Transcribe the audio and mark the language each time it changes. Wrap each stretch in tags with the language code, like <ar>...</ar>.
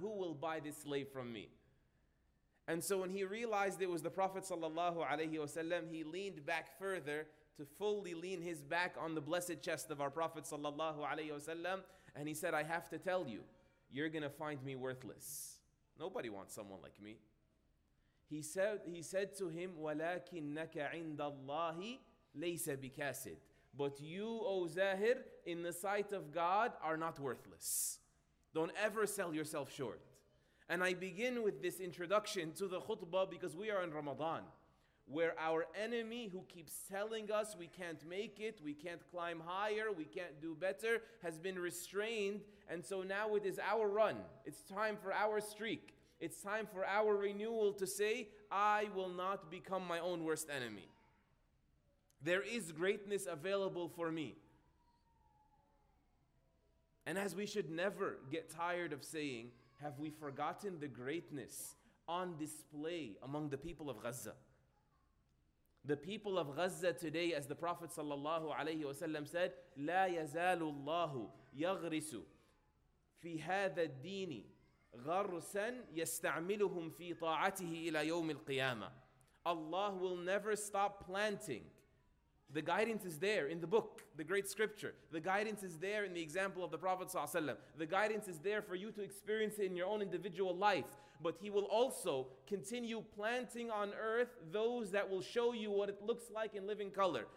<en>Who will buy this slave from me? And so when he realized it was the Prophet sallallahu alayhi wasallam, he leaned back further to fully lean his back on the blessed chest of our Prophet sallallahu alaihi wasallam, and he said, I have to tell you, you're going to find me worthless. Nobody wants someone like me.</en> <ar>He said to him, وَلَكِنَّكَ عِنْدَ اللَّهِ لَيْسَ بِكَاسِدٍ.</ar> <en>But you, O Zahir, in the sight of God, are not worthless. Don't ever sell yourself short. And I begin with this introduction to the khutbah because we are in Ramadan, where our enemy, who keeps telling us we can't make it, we can't climb higher, we can't do better, has been restrained. And so now it is our run. It's time for our streak. It's time for our renewal to say, I will not become my own worst enemy. There is greatness available for me. And as we should never get tired of saying, have we forgotten the greatness on display among the people of Gaza? The people of Gaza today, as the Prophet sallallahu alaihi wasallam said,</en> <ar>لا يزال الله يغرس في هذا الدين غرسا يستعملهم في طاعته إلى يوم القيامة.</ar> <en>Allah will never stop planting. The guidance is there in the book, the great scripture. The guidance is there in the example of the Prophet sallallahu alaihi wasallam. The guidance is there for you to experience it in your own individual life. But he will also continue planting on earth those that will show you what it looks like in living color.</en>